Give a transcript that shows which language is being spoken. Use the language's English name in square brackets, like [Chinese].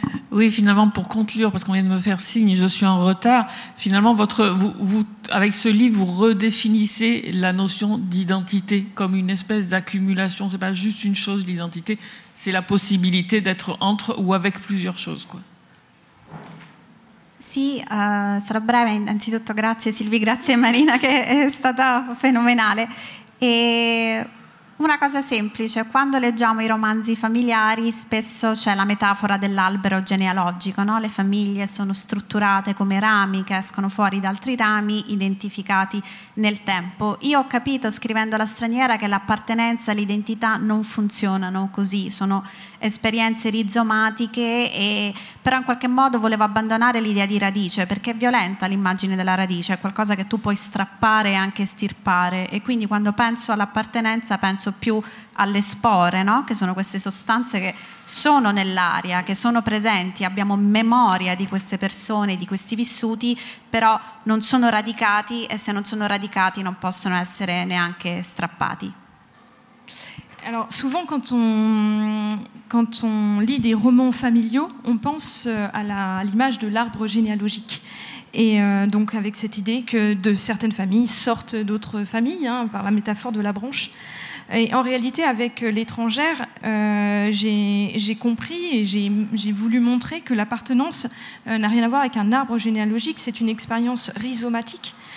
[French] Oui, finalement, pour conclure, parce qu'on vient de me faire signe, je suis en retard, finalement, vous, avec ce livre, vous redéfinissez la notion d'identité comme une espèce d'accumulation. C'est pas juste une chose, l'identité, c'est la possibilité d'être entre ou avec plusieurs choses, quoi. [Italian] Sì, sarò breve. Innanzitutto, grazie Sylvie, grazie Marina, che è stata fenomenale. E una cosa semplice, quando leggiamo i romanzi familiari spesso c'è la metafora dell'albero genealogico, no? Le famiglie sono strutturate come rami che escono fuori da altri rami identificati nel tempo. Io ho capito scrivendo La straniera che l'appartenenza e l'identità non funzionano così, sono esperienze rizomatiche, però in qualche modo volevo abbandonare l'idea di radice, perché è violenta l'immagine della radice, è qualcosa che tu puoi strappare e anche estirpare, e quindi quando penso all'appartenenza penso più alle spore, no? Che sono queste sostanze che sono nell'aria, che sono presenti, abbiamo memoria di queste persone, di questi vissuti, però non sono radicati, e se non sono radicati non possono essere neanche strappati. [French] Alors souvent quand on lit des romans familiaux, on pense à l'image de l'arbre généalogique. Et donc avec cette idée que de certaines familles sortent d'autres familles, hein, par la métaphore de la branche. Et en réalité, avec l'étrangère, j'ai compris et j'ai voulu montrer que l'appartenance n'a rien à voir avec un arbre généalogique, c'est une expérience rhizomatique.